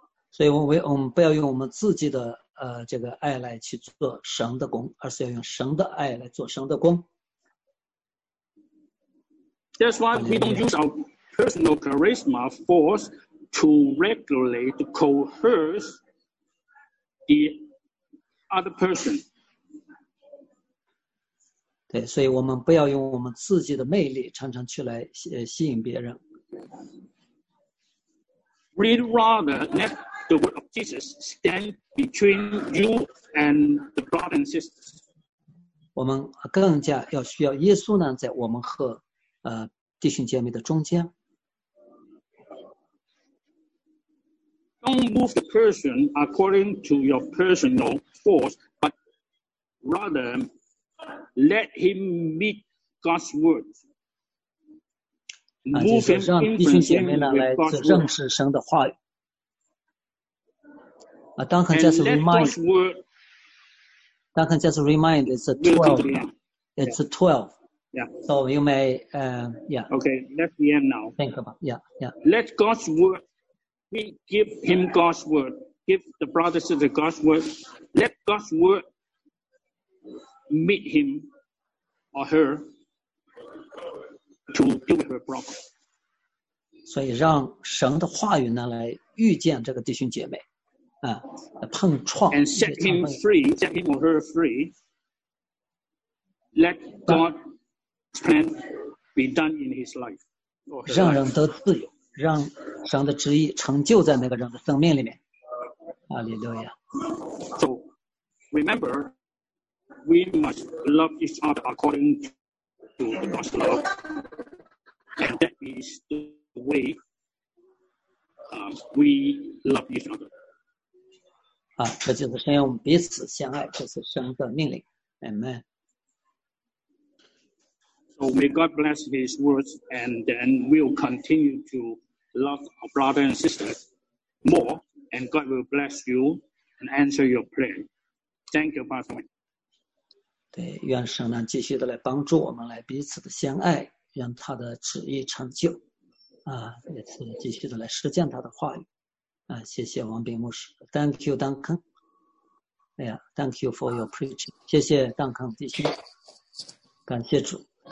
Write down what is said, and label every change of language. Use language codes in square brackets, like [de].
[zh] 所以我们不要用我们自己的这个爱来去做神的工，而是要用神的爱来做神的工。 [en] That's why we don't use our personal charisma force to regulate, to coerce the other person. 对，所以我们不要用我们自己的魅力常常去来吸引别人。 We'd rather let the word of Jesus stand between you and the brothers and sisters. 我们更加要需要耶稣呢，在我们和弟兄姐妹的中间。 Don't move the person according to your personal force, but rather let him meet God's word. Move him, influence him with God's word. And let God's word. Duncan, just remind, it's a 12. It's a 12. Yeah. So you may, Okay, let's the end now. Think about, Let God's word. We give him God's word, give the brothers the God's word, let God's word meet him or her to deal with her problem. [zh] 所以让神的话语呢来遇见这个弟兄姐妹，碰撞。 [en] And set him free, set him or her free. Let God's plan be done in his life. [zh] 让人得自由。让神的旨意成就在那个人的生命里面。哈利路亚。 [en] So, remember, we must love each other according to God's love, and that is the way we love each other. [zh] 这就是神要我们彼此相爱，这是神的命令。 [en] Amen. So may God bless His words, and then we'll continue to. Love our brother and sister more, and God will bless you and answer your prayer. Thank you, Pastor. [zh] 对，愿神呢继续的来帮助我们，来彼此的相爱，让他的旨意成就。也是继续的来实践他的话语。谢谢王炳牧师。 [en] Thank you, Duncan. Thank you for your preaching. [zh] 谢谢 Duncan 弟兄，感谢主。